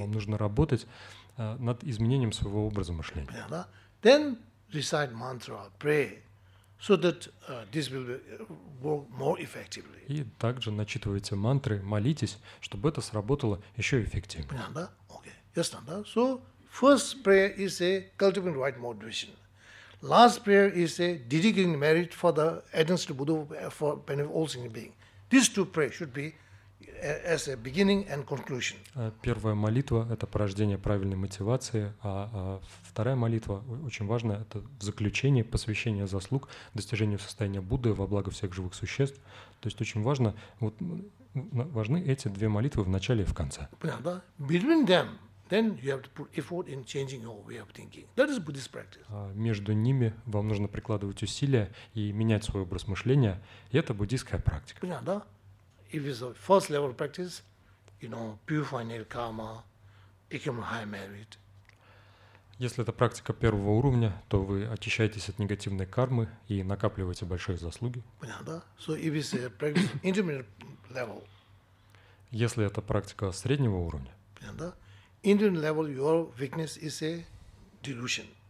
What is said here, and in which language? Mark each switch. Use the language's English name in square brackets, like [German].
[Russian] Вам нужно работать над изменением своего образа мышления. Yeah, да? [English] Then recite mantra, pray, so that this will work more effectively. [Russian] И также начитывайте мантры, молитесь, чтобы это сработало еще эффективнее. Понятно, да? [English] Okay. [Russian] Ясно, да? [English] So first prayer is a cultivating right motivation. Last prayer is a dedicating merit for the adherence to Buddha for benefit of all sentient beings. These two prayers should be as a beginning and conclusion. [Russian] Первая молитва – это порождение правильной мотивации, а вторая молитва, очень важная, это в заключение, посвящение заслуг достижению состояния Будды во благо всех живых существ. То есть очень важно, вот, важны эти две молитвы в начале и в конце. Понятно, да? [English] Between them, then you have to put effort in changing your way of thinking. That is Buddhist practice. [Russian] Между ними вам нужно прикладывать усилия и менять свой образ мышления, и это буддийская практика. Понятно, да? [English] If it's a first level practice, you know, purifying karma, accumulating high merit. [Russian] Если это практика первого уровня, то вы очищаетесь от негативной кармы и накапливаете большие заслуги. Понятно, да? [English] So if it's a practice intermediate level. [Russian] Если это практика среднего уровня. Понятно, да? [English] Intermediate level, your weakness is a delusion.